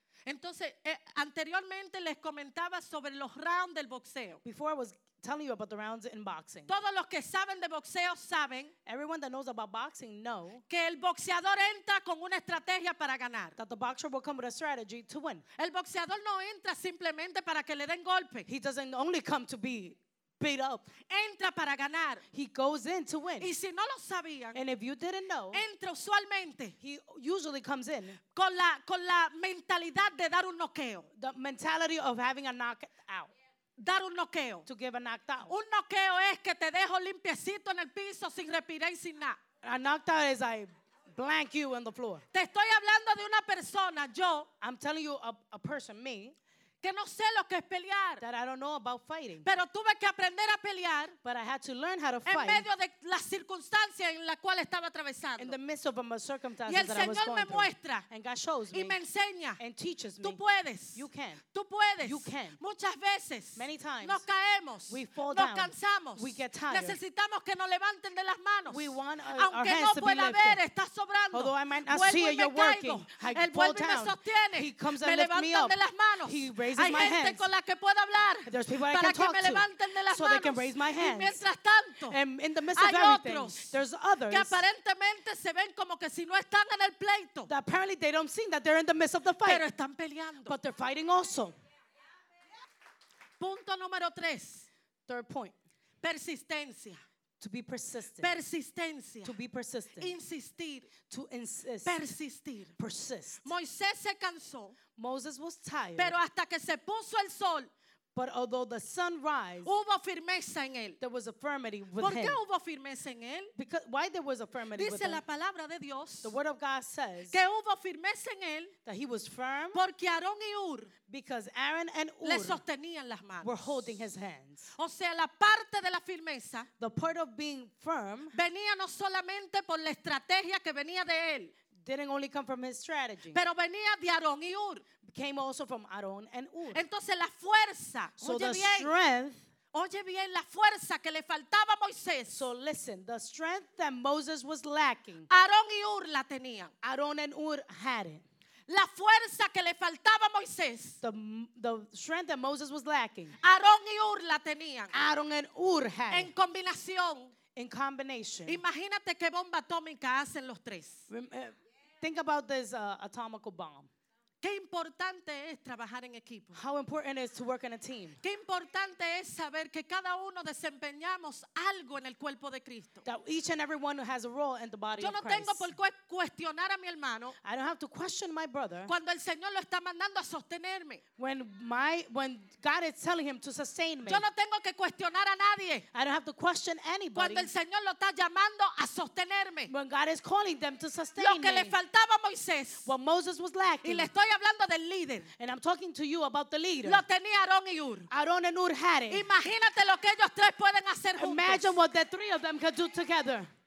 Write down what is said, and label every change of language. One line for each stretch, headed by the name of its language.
Spanish: Entonces, anteriormente les comentaba sobre los rounds del boxeo.
English: Before I was telling you about the rounds in boxing.
Spanish: Todos los que saben de boxeo saben,
English: everyone that knows about boxing know,
Spanish: que el boxeador entra con una estrategia para ganar.
English: That the boxer will come with a strategy to win.
Spanish: El boxeador no entra simplemente para que le den golpe.
English: He doesn't only come to be beat up.
Spanish: Entra para ganar.
English: He goes in to win.
Spanish: Y si no lo sabían,
English: and if you didn't know,
Spanish: entra usualmente,
English: he usually comes in
Spanish: con la mentalidad de dar un noqueo.
English: The mentality of having a knockout.
Spanish: Dar un noqueo.
English: To give a knockdown.
Spanish: Un noqueo es que te dejo limpiecito en el piso sin respirar y sin nada.
English: A knockdown is I blank you on the floor.
Spanish: Te estoy hablando de una persona, yo.
English: I'm telling you a person, me.
Spanish: Que no sé lo que es pelear.
English: That I don't know about fighting.
Spanish: Pero tuve que aprender a pelear.
English: But I had to learn how to fight.
Spanish: En medio de las circunstancias en la cual estaba atravesando.
English: In the midst of my circumstances
Spanish: y el Señor
English: that I was
Spanish: me muestra.
English: Through. And God shows
Spanish: y
English: me.
Spanish: Y me enseña.
English: And teaches me.
Spanish: Tú puedes.
English: You can.
Spanish: Tú puedes.
English: You can.
Spanish: Muchas veces.
English: Many times.
Spanish: Nos caemos.
English: We fall
Spanish: nos
English: down.
Spanish: Nos cansamos.
English: We get tired.
Spanish: Necesitamos que nos levanten de las manos.
English: We want
Spanish: aunque
English: our hands
Spanish: no
English: to
Spanish: pueda
English: be
Spanish: ver, está sobrando.
English: Although I might not see it, you're working. I el fall down.
Spanish: Me sostiene.
English: He comes and
Spanish: me levantan
English: lift me up.
Spanish: De las manos.
English: He raises
Spanish: hay
English: my
Spanish: gente
English: hands.
Spanish: Con la que puedo hablar
English: there's people I can talk
Spanish: me
English: to
Spanish: de las
English: so
Spanish: manos.
English: They can raise my hands.
Spanish: Y mientras tanto,
English: and in the midst of everything, there's others
Spanish: que aparentemente se ven como que si no están en el pleito,
English: that apparently they don't seem that they're in the midst of the fight.
Spanish: Pero están peleando.
English: But they're fighting also.
Spanish: Punto número tres.
English: Third point.
Spanish: Persistencia.
English: To be persistent.
Spanish: Persistencia.
English: To be persistent.
Spanish: Insistir.
English: To insist.
Spanish: Persistir.
English: Persist.
Spanish: Moisés se cansó.
English: Moses was tired.
Spanish: Pero hasta que se puso el sol.
English: But although the sun rise,
Spanish: hubo firmeza en él.
English: There was a firmity with
Spanish: ¿Por qué
English: him.
Spanish: Hubo firmeza en él?
English: Because why there was a firmity
Spanish: Dice
English: with
Spanish: la
English: him?
Spanish: Palabra de Dios
English: the word of God says
Spanish: que hubo firmeza en él
English: that he was firm
Spanish: porque Aarón y Ur
English: because Aaron and Ur
Spanish: le sostenían las manos.
English: Were holding his hands.
Spanish: O sea, la parte de la firmeza
English: the part of being firm
Spanish: venía no solamente por la estrategia que venía de él.
English: Didn't only come from his strategy.
Spanish: Pero venía de Aarón y Ur.
English: Came also from Aarón and Ur.
Spanish: Entonces la fuerza.
English: So
Spanish: oye
English: the
Spanish: bien,
English: strength.
Spanish: Oye bien, la fuerza que le faltaba a Moisés.
English: So listen, the strength that Moses was lacking.
Spanish: Aarón y Ur la tenían.
English: Aarón and Ur had it.
Spanish: La fuerza que le faltaba a Moisés.
English: The strength that Moses was lacking.
Spanish: Aarón y Ur la tenían.
English: Aarón and Ur had it.
Spanish: En combinación.
English: In combination.
Spanish: Imagínate qué bomba atómica hacen los tres.
English: Think about this atomic bomb.
Spanish: Qué importante es trabajar en equipo.
English: How important it is to work in a team.
Spanish: Qué importante es saber que cada uno desempeñamos algo en el cuerpo de Cristo.
English: That each and every one has a role in the body of Christ.
Spanish: Yo no tengo por qué cuestionar a mi hermano.
English: I don't have to question my brother.
Spanish: Cuando el Señor lo está mandando a sostenerme.
English: When God is telling him to sustain me.
Spanish: Yo no tengo que cuestionar a nadie.
English: I don't have to question anybody.
Spanish: Cuando el Señor lo está llamando a sostenerme.
English: When God is calling them to sustain me.
Spanish: Lo que le faltaba a Moisés.
English: What Moses was lacking.
Spanish: Estoy hablando del líder.
English: And I'm talking to you about the leader.
Spanish: Lo tenía Aarón y Ur.
English: Aarón and Ur had it.
Spanish: Imagínate lo que ellos tres pueden hacer juntos.
English: Imagine what the three of them could do together.